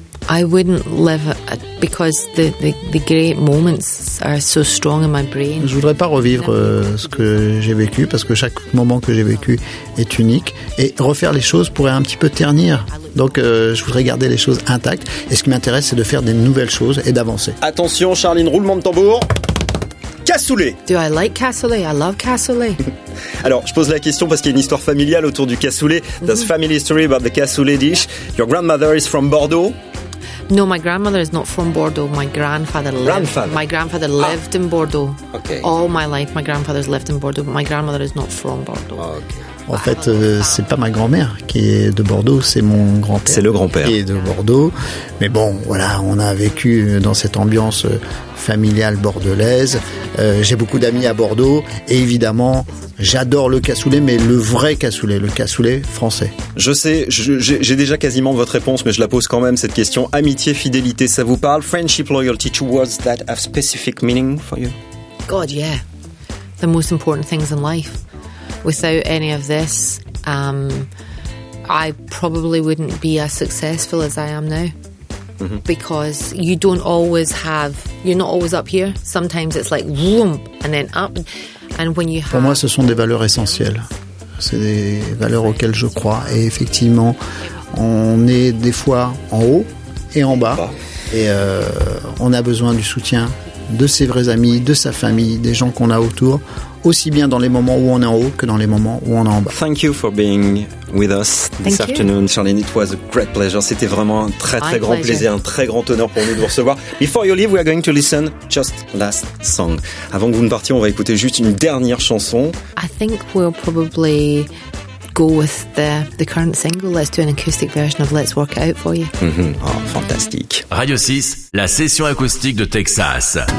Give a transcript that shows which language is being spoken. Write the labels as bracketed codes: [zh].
[en] I wouldn't live because the great moments are so strong in my brain. [fr] Je voudrais pas revivre ce que j'ai vécu parce que chaque moment que j'ai vécu est unique et refaire les choses pourrait un petit peu ternir. Donc je voudrais garder les choses intactes et ce qui m'intéresse c'est de faire des nouvelles choses et d'avancer. Attention Charline, roulement de tambour. Cassoulet. [en] Do I like cassoulet? I love cassoulet. [fr] Alors, je pose la question parce qu'il y a une histoire familiale autour du cassoulet. [en] There's a family story about the cassoulet dish. Your grandmother is from Bordeaux. No, my grandmother is not from Bordeaux. My grandfather lived in Bordeaux. Okay. All my life, my grandfather's lived in Bordeaux, but my grandmother is not from Bordeaux. Okay. [fr] En fait, c'est pas ma grand-mère qui est de Bordeaux, c'est mon grand-père. C'est le grand-père. Qui est de Bordeaux. Mais bon, voilà, on a vécu dans cette ambiance familiale bordelaise. J'ai beaucoup d'amis à Bordeaux. Et évidemment, j'adore le cassoulet, mais le vrai cassoulet, le cassoulet français. Je sais, j'ai déjà quasiment votre réponse, mais je la pose quand même, cette question. Amitié, fidélité, ça vous parle? [en] Friendship, loyalty, two words that have specific meaning for you? God, yeah. The most important things in life. Without any of this, I probably wouldn't be as successful as I am now. Mm-hmm. Because you don't always have, you're not always up here. Sometimes it's like vroom, and then up. And when you have... [fr] Pour moi, ce sont des valeurs essentielles. C'est des valeurs auxquelles je crois. Et effectivement, on est des fois en haut et en bas. Et on a besoin du soutien de ses vrais amis, de sa famille, des gens qu'on a autour, aussi bien dans les moments où on est en haut que dans les moments où on est en bas. [en] Thank you for being with us this afternoon, Charline. It was a great pleasure. [fr] C'était vraiment un très très grand plaisir, un très grand honneur pour nous de vous recevoir. [en] Before you leave, we are going to listen just last song. [fr] Avant que vous ne partiez, on va écouter juste une dernière chanson. [en] I think we'll probably go with the current single. Let's do an acoustic version of Let's Work It Out for you. [fr] Mm-hmm. Oh, fantastique. Radio 6, la session acoustique de Texas.